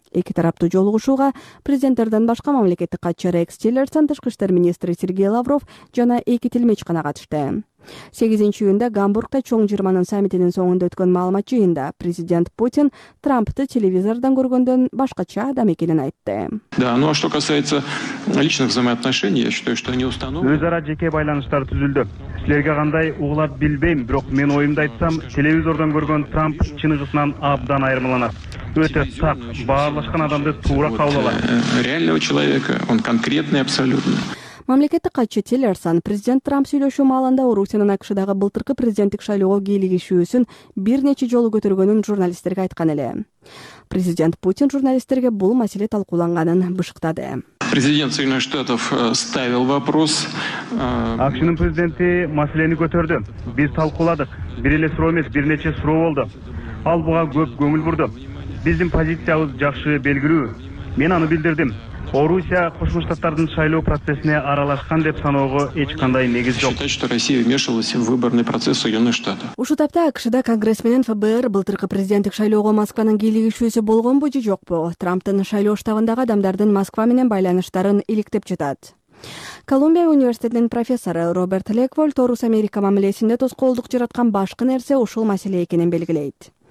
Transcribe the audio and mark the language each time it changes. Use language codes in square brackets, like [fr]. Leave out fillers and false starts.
[ky] Эки тараптуу жолугушууга президенттерден башка мамлекеттик катчы Рекс Тиллерсон, тышкы иштер министри Сергей Лавров жана эки тилмеч гана катышты. 8 июнда Гамбургда чоң жерманын саммитинин соңунда өткөн маалымат жыйында президент Путин Трампты телевизордон көргөндөн башкача адам экенин айтты. [ru] Да, ну а что касается личных взаимоотношений, я считаю, что они установлены. [ky] Өз ара жеке байланыштар түзүлдү. Силерге кандай угулат билбейм, бирок мен оюмду айтсам, телевизордон көргөн Трамп чыныгысынан абдан айырмаланат. Өтө сак, баарлашкан адамды туура кабыл алат. [ru] Реального человека, он конкретный абсолютно. [ky] Мамлекеттик катчы Тиллерсон президент Трамп сүйлөшүү маалында Орусиянын АКШдагы былтыркы президенттик шайлоого кийлигишүүсүн бир нече жолу көтөргөнүн журналисттерге айткан эле. Президент Путин журналисттерге бул маселе талкууланганын бышыктады. [ru] Президент Соединенных Штатов ставил вопрос. [ky] АКШнын президенти маселени көтөрдү. Биз талкууладык. Бир эле суроо эмес, бир нече суроо болду. Ал буга көп көңүл бурду. Биздин позициябыз жакшы белгилүү. Мен аны билдирдим. Орусия Кошмо Штаттардын шайлоо процессине аралашкан деп саноого эч кандай негиз жок. [ru] Считаю, что Россия вмешивалась в выборный процесс Соединённых Штатов. [ky] Ушул тапта АКШда Конгресс менен ФБР былтыркы президенттик шайлоого Москванын кийлигишүүсү болгонбу же жокпу? Трамптын шайлоо штабындагы адамдардын Москва менен байланыштарын иликтеп жатат. Колумбия университетинин профессору Роберт Леквольд Орус Америка мамилесинде тоскоолдук жараткан башкы нерсе ушул маселе экенин белгилейт.